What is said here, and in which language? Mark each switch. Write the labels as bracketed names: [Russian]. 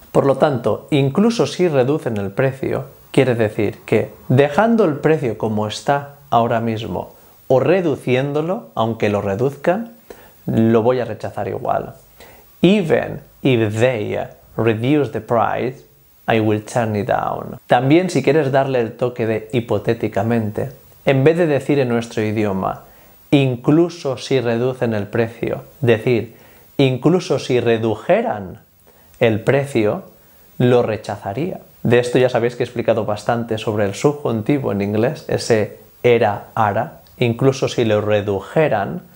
[Spanish] Por lo tanto, incluso si reducen el precio, quiere decir que dejando el precio como está ahora mismo o reduciéndolo, aunque lo reduzcan, lo voy a rechazar igual. [English] Even if they reduce the price, I will turn it down. [Spanish] También si quieres darle el toque de hipotéticamente, en vez de decir en nuestro idioma, incluso si reducen el precio, decir, incluso si redujeran el precio, lo rechazaría. De esto ya sabéis que he explicado bastante sobre el subjuntivo en inglés, ese era, ara, incluso si lo redujeran.